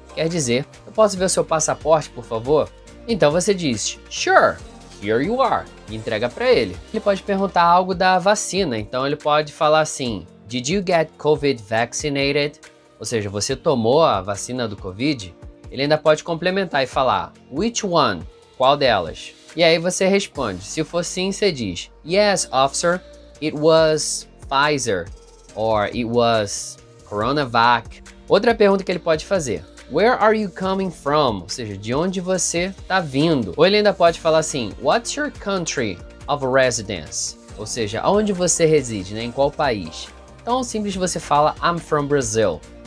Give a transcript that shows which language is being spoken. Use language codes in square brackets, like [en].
[pt] Quer dizer, eu posso ver o seu passaporte, por favor? Então você diz: [en] Sure, here you are. [pt] E entrega para ele. Ele pode perguntar algo da vacina, então ele pode falar assim: [en] Did you get COVID vaccinated? [pt] Ou seja, você tomou a vacina do Covid? Ele ainda pode complementar e falar: [en] Which one? [pt] Qual delas? E aí você responde. Se for sim, você diz: [en] Yes, officer, it was Pfizer. Or it was CoronaVac. [pt] Outra pergunta que ele pode fazer: [en] Where are you coming from? [pt] Ou seja, de onde você está vindo? Ou ele ainda pode falar assim: [en] What's your country of residence? [pt] Ou seja, aonde você reside, né? Em qual país? Tão simples você fala: [en] I'm from Brazil.